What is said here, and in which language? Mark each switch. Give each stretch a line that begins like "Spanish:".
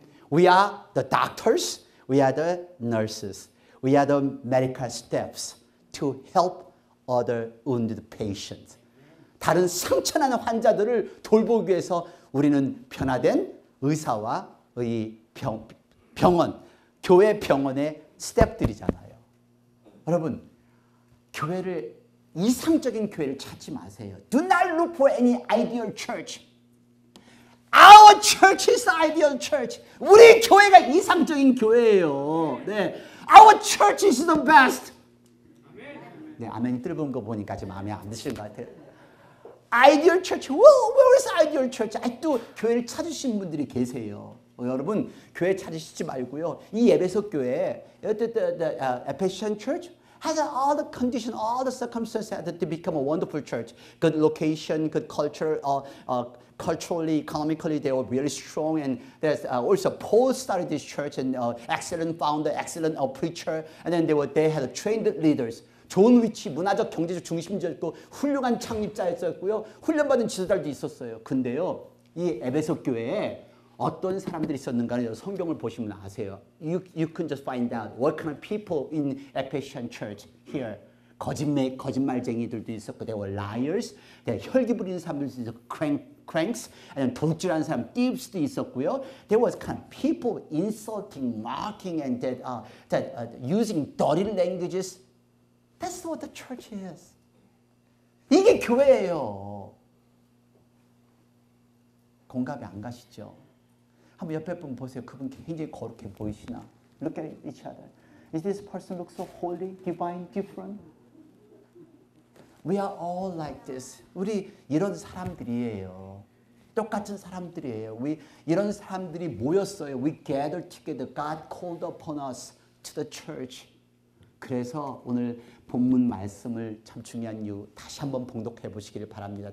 English: We are the doctors. We are the nurses. We are the medical staffs to help other wounded patients.
Korean: 다른 상처나는 환자들을 돌보기 위해서 우리는 변화된 의사와 의 병원, 교회 병원의 스태프들이잖아요. 여러분, 교회를 이상적인 교회를 찾지 마세요.
English: Do not look for any ideal church. Our church is the ideal church.
Korean: 우리 교회가 이상적인 교회예요. 네.
English: Our church is the best.
Korean: 네, 아멘 뜨거운 거 보니까 지금 마음이 안 드시는 것 같아요.
English: Ideal church. Where is ideal church?
Korean: 또 교회를 찾으신 분들이 계세요. 여러분, 교회 찾으시지 말고요. 이 예배석 교회,
English: Ephesian church has all the condition, all the circumstances to become a wonderful church. Good location, good culture, culturally, economically, they were really strong. And there's also Paul started this church and excellent founder, excellent preacher. And then they had trained leaders.
Korean: 좋은 위치, 문화적, 경제적 중심지였고 훌륭한 창립자였었고요. 훈련받은 지도자들도 있었어요. 근데요, 이 에베소 교회에 어떤 사람들이 있었는가를 성경을 보시면 아세요.
English: You can just find out what kind of people in Ephesian church here.
Korean: 거짓말쟁이들도 있었고,
English: they were liars. They were
Korean: 혈기 부리는 사람들도 있었고,
English: cranks.
Korean: 아니면 도둑질하는 사람, thieves도 있었고요.
English: There was kind of people insulting, mocking, and that using dirty languages. That's what the church is.
Korean: 이게 교회예요. 공감이 안 가시죠? 한번 옆에 분 보세요. 그분 굉장히 거룩해 보이시나?
English: Look at each other. Is this person look so holy, divine, different? We are all like this.
Korean: 우리 이런 사람들이에요. 똑같은 사람들이에요. 우리 이런 사람들이 모였어요.
English: We gather together. God called upon us to the church.
Korean: 그래서 오늘 본문 말씀을 참 중요한 이유 다시 한번 봉독해 보시기를 바랍니다.